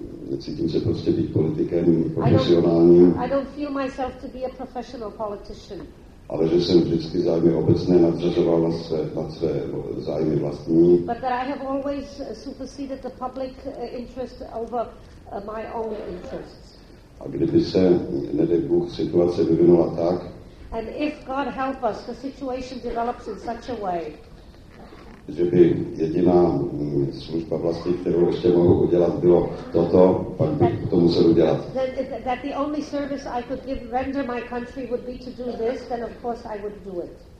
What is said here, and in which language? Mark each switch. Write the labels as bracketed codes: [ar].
[cs] necítím se prostě být politikem profesionálním, [en] I don't feel myself to be a professional politician. [cs] Ale že jsem vždycky zájmy obecné nadřazoval na své zájmy vlastní. [en] But that I have always superseded the public interest over my own interests. [cs] A kdyby se, nedej Bůh, situace vyvinula tak, [en] and if God help us, the situation develops in such a way, [cs] že by jediná služba vlastní, kterou ještě mohu udělat, bylo toto, pak bych to musel udělat. [en] That the only service I could give, render my country would be to do this, then of course I would do it.